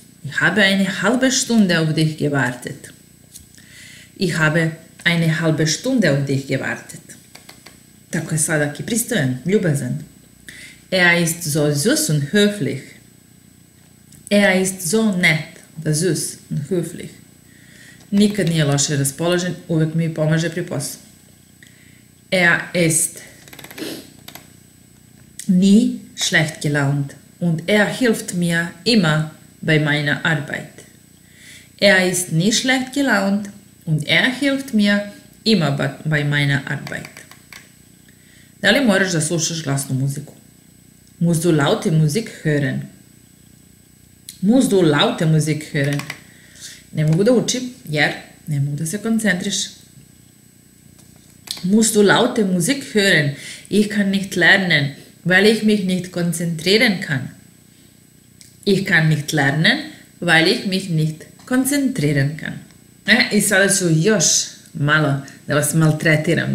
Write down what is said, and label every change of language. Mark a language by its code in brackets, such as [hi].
[de] Ich habe eine halbe Stunde auf dich gewartet. Ich habe eine halbe Stunde auf dich gewartet. [sr] Tako je sladak i pristojan, ljubazan. [de] Er ist so süß und höflich. Er ist so nett, da süß und höflich. [sr] Nikad nije loše raspoložen, uvek mi pomaže pri poslu. [de] Er ist nie schlecht gelaunt und er hilft mir immer bei meiner Arbeit. Er ist nie schlecht gelaunt und er hilft mir immer bei meiner Arbeit. [sr] Da li moraš da slušaš glasnu muziku? [de] Musst du laute Musik hören? Musst du laute Musik hören? [sr] Ne mogu da učim, jer ne mogu da se koncentriš. [de] Musst du laute Musik hören? Ich kann nicht lernen, weil ich mich nicht konzentrieren kann. Ich kann nicht lernen, weil ich mich nicht konzentrieren kann. [sr] I sada ću još malo da vas maltretiram.